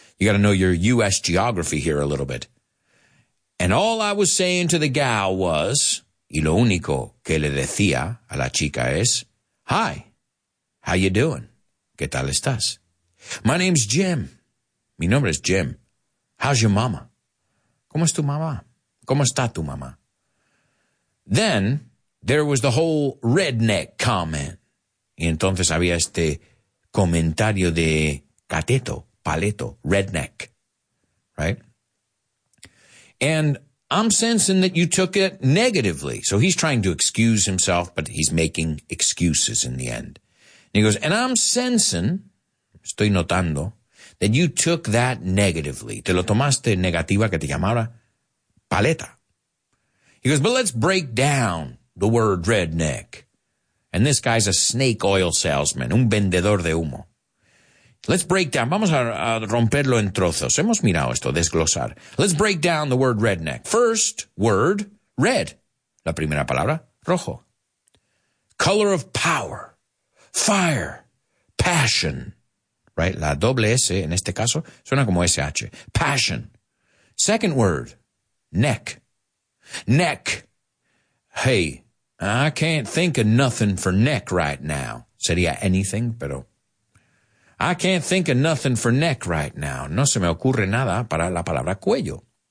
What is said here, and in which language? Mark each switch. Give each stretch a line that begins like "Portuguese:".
English: You got to know your U.S. geography here a little bit. And all I was saying to the gal was,
Spanish: y lo único que le decía a la chica es,
English: "Hi, how you doing?
Spanish: ¿Qué tal estás?
English: My name's Jim.
Spanish: Mi nombre es Jim.
English: How's your mama?
Spanish: ¿Cómo es tu mamá?
English: ¿Cómo está tu mamá?" Then there was the whole redneck comment.
Spanish: Y entonces había este comentario de cateto, paleto, redneck, right?
English: And I'm sensing that you took it negatively. So he's trying to excuse himself, but he's making excuses in the end. And he goes, and I'm sensing,
Spanish: estoy notando,
English: that you took that negatively.
Spanish: Te lo tomaste negativa, que te llamara paleta.
English: He goes, but let's break down the word redneck. And this guy's a snake oil salesman,
Spanish: un vendedor de humo.
English: Let's break down.
Spanish: Vamos a romperlo en trozos. Hemos mirado esto, desglosar.
English: Let's break down the word redneck. First word, red.
Spanish: La primera palabra, rojo.
English: Color of power, fire, passion. Right?
Spanish: La doble S en este caso suena como SH.
English: Passion. Second word, neck. Neck. Hey, I can't think of nothing for neck right now.
Spanish: Sería anything, pero...
English: I can't think of nothing for neck right now.
Spanish: No se me ocurre nada para la palabra cuello.